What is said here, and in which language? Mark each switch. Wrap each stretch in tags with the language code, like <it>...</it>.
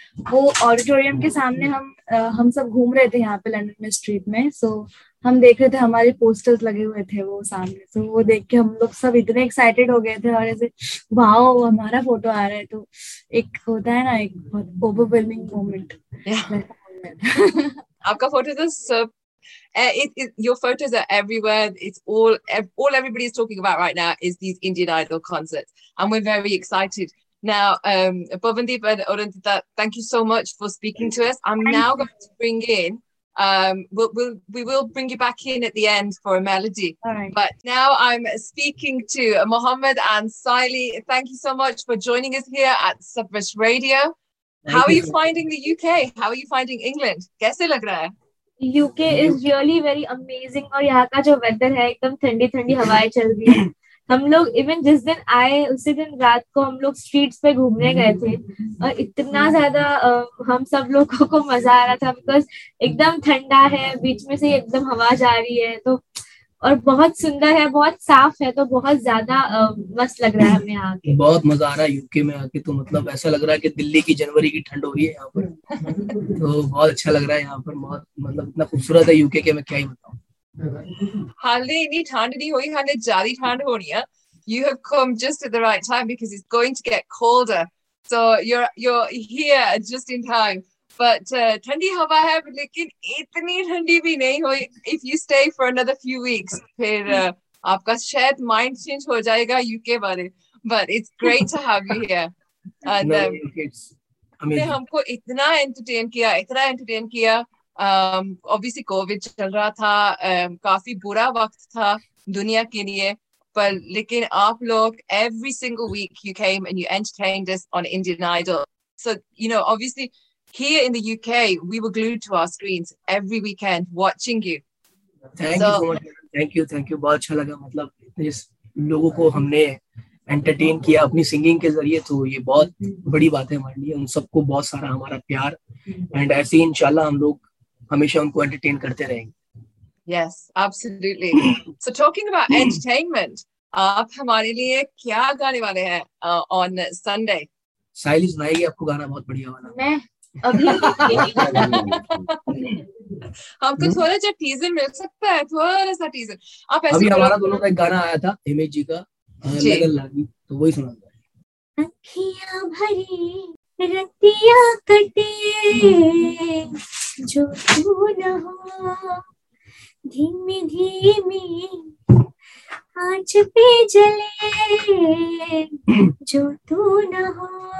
<hi>वो ऑडिटोरियम के सामने हम सब घूम रहे थे यहाँ पे लंदन में स्ट्रीट में, सो हम देख रहे थे, हमारे पोस्टर्स लगे हुए थे वो सामने, सो वो देख के हम लोग सब इतने एक्साइटेड हो गए थे, और ऐसे वाओ हमारा फोटो आ रहा है, तो एक होता है ना एक ओवरवेलमिंग मोमेंट. आपका फोटो तो सब</hi> <en>your photos are everywhere. It's all everybody is talking about right now is these Indian Idol concerts, and we're very excited. Now, Pavandeep and Orantita, thank you so much for speaking to us. I'm now going to bring in, we will bring you back in at the end for a melody. All right. But now I'm speaking to Mohammed and Saili. Thank you so much for joining us here at Subrush Radio. How are you finding the UK? How are you finding England?</en> <hi>Kaise lag raha hai?</hi> <en>UK is really very amazing.</en> <hi>Aur yahan ka jo weather hai, ekdam thandi thandi hawaye chal rahi hai. हम लोग even जिस दिन आए उसी दिन रात को हम लोग स्ट्रीट्स पे घूमने गए थे, और इतना ज्यादा हम सब लोगों को मजा आ रहा था, बिकॉज एकदम ठंडा है, बीच में से एकदम हवा जा रही है, तो और बहुत सुंदर है, बहुत साफ है, तो बहुत ज्यादा मस्त लग रहा है हमें आके. बहुत मजा आ रहा है यूके में आके, तो मतलब ऐसा लग रहा है कि दिल्ली की जनवरी की ठंड हो रही है यहाँ पर. तो बहुत अच्छा लग रहा है यहाँ पर, बहुत मतलब इतना खूबसूरत है यूके के, मैं क्या ही बताऊँ. Hardly any thand any hoi hane jali thand honiya.</hi> <en>You have come just at the right time because it's going to get colder. So you're here just in time. But</en> <hi>thandi hawa hai, but lekin itni thandi bhi nahi hoi.</hi> <en>If you stay for another few weeks,</en> <hi>phir aapka shayad mind change ho jayega UK bare.</hi> <en>But it's great to have you here. And no,</en> <hi>humko itna entertain kiya, itna entertain kiya. Obviously COVID चल रहा था, काफी बुरा वक्त था दुनिया के लिए, पर लेकिन आप लोग</hi> <en>every single week you came and you entertained us on Indian Idol. So, you know, obviously here in the UK we were glued to our screens every weekend watching you. Thank you so much.</en> <hi>बहुत अच्छा लगा, मतलब लोगों को हमने entertain किया अपनी singing के जरिए, तो ये बहुत बड़ी बात है हमारे लिए. उन सबको बहुत सारा हमारा प्यार, and ऐसे ही इंशाल्लाह हम लोग हमेशा उनको एंटरटेन करते रहेंगे.</hi> <en>Yes, absolutely. So talking about entertainment,</en> <hi>आप हमारे लिए क्या गाने वाले हैं</hi> <en>on Sunday?</en> <hi>साइलिस भाई आपको गाना बहुत बढ़िया वाला. मैं अभी आपको थोड़ा सा टीज़र मिल सकता है, थोड़ा सा टीज़र. आप ऐसे अभी हमारा दोनों का एक गाना आया था हिमेश जी का, लगन लागी, तो वही सुना था. अखियां भरी रतिया कटे जो तू न हो, धीमी धीमी आंच पे जले जो तू न हो.</hi>